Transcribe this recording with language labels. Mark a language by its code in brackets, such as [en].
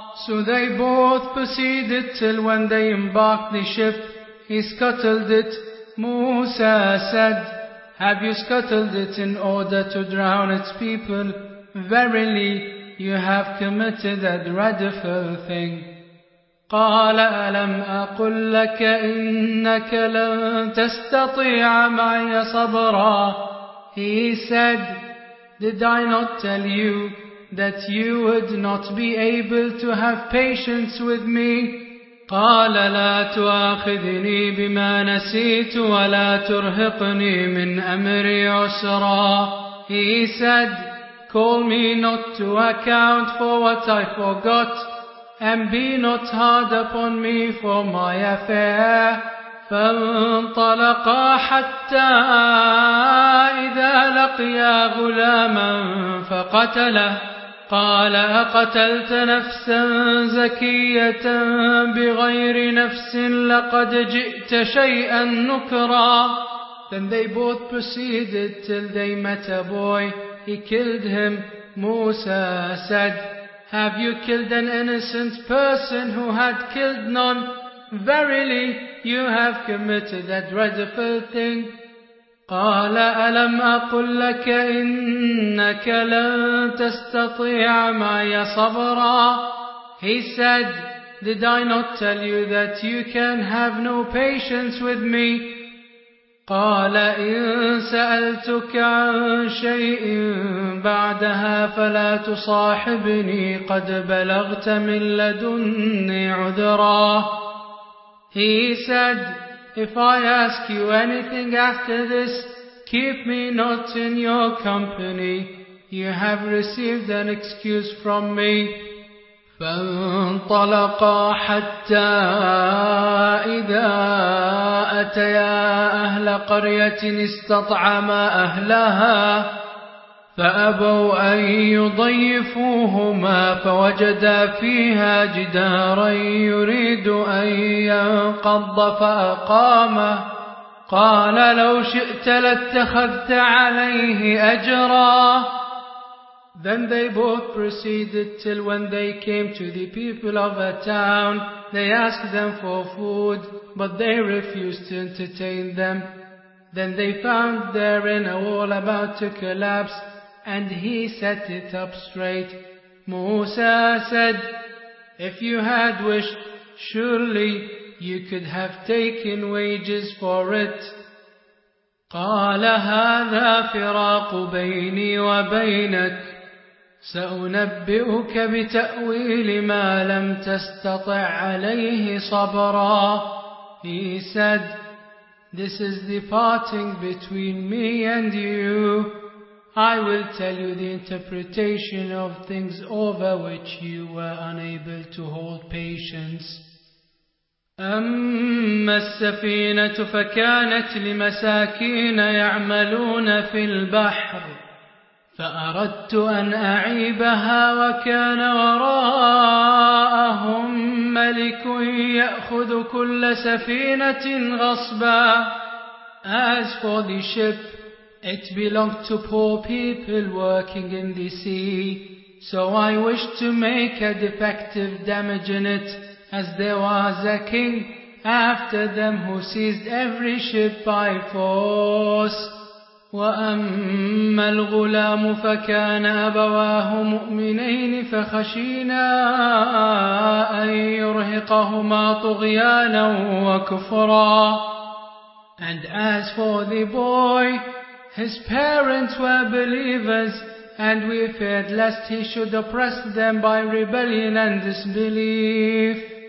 [en] So they both proceeded till when they embarked the ship, he scuttled it. Musa said, have you scuttled it in order to drown its people? Verily, you have committed a dreadful thing. [ar] قال ألم أقل لك إنك لن تستطيع معي صبرا. [en] He said, did I not tell you that you would not be able to have patience with me? [ar] قال لا تؤاخذني بما نسيت ولا ترهقني من أمري عسرا. [en] He said, call me not to account for what I forgot, and be not hard upon me for my affair. [ar] فانطلقا حتى إذا لقيا غلاما فقتله قال أقتلت نفسا زكية بغير نفس لقد جئت شيئا نكرا. [en] Then they both proceeded till they met a boy. He killed him. Musa said, have you killed an innocent person who had killed none? Verily, you have committed a dreadful thing. [ar] قال ألم أقل لك إنك لن تستطيع معي صبرا. [en] He said, did I not tell you that you can have no patience with me? [ar] قال إن سألتك عن شيء بعدها فلا تصاحبني قد بلغت من لدني عذرا. [en] He said, if I ask you anything after this, keep me not in your company. You have received an excuse from me. [ar] فانطلقا حتى إذا أتيا أهل قرية استطعما أهلها فأبوا أن يضيفوهما فوجدا فيها جدارا يريد أن ينقض فأقامه قال لو شئت لاتخذت عليه أجرا. [en] Then they both proceeded till when they came to the people of a town. They asked them for food, but they refused to entertain them. Then they found therein a wall about to collapse, and he set it up straight. Musa said, if you had wished, surely you could have taken wages for it. [ar] قال هذا فراق بيني وبينك سأنبئك بتأويل ما لم تستطع عليه صبرا. [en] He said, this is the parting between me and you. I will tell you the interpretation of things over which you were unable to hold patience. [ar] أما السفينة فكانت لمساكين يعملون في البحر فأردت أن أعيبها وكان وراءهم ملك يأخذ كل سفينة غصبا. [en] As for the ship, it belonged to poor people working in the sea, so I wished to make a defective damage in it, as there was a king after them who seized every ship by force. [ar] وأما الغلام فكان أبواه مؤمنين فخشينا أن يرهقهما طغيانا وكفرا. [en] And as for the boy, his parents were believers, and we feared lest he should oppress them by rebellion and disbelief.